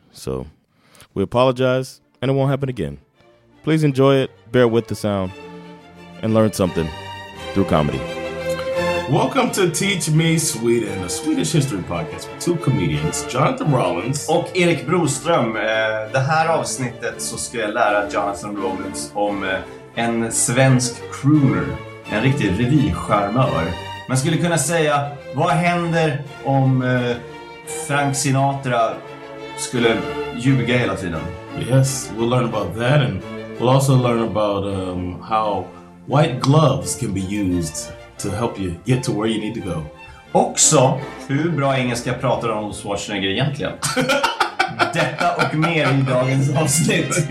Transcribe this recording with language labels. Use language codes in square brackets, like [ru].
[en] So we apologize, and it won't happen again. Please enjoy it, bear with the sound, and learn something through comedy. Welcome to Teach Me Sweden, a Swedish history podcast with two comedians, Jonathan Rollins [sv] och Erik Broström. Det här avsnittet så ska jag lära Jonathan Rollins om en svensk crooner, en riktig revycharmör. Man skulle kunna säga, vad händer om Frank Sinatra skulle ljuga hela tiden? [en] Yes, we'll learn about that, and we'll also learn about how white gloves can be used to help you get to where you need to go. [sv] Också, hur bra engelska pratar de om Schwarzenegger egentligen? Detta och mer i dagens avsnitt.